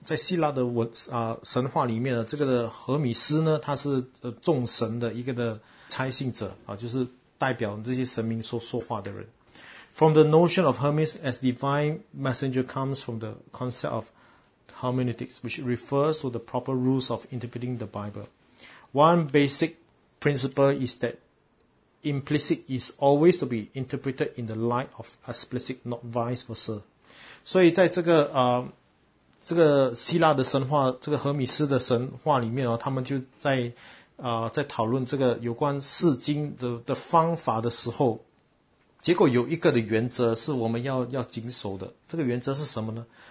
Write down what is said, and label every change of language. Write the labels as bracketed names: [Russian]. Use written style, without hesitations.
[Chinese] 在希腊的神话里面这个的荷米斯呢他是众神的一个的差信者就是代表这些神明说话的人。 [English] from the notion of Hermes as divine messenger comes from the concept of hermeneutics, which refers to the proper rules of interpreting the Bible. One basic principle is that implicit is always to be interpreted in the light of explicit, not vice versa. [Chinese] 所以在这个这个希腊的神话，这个荷米斯的神话里面，他们就在在讨论这个有关释经 的方法的时候，结果有一个的原则是我们要谨守的。这个原则是什么呢？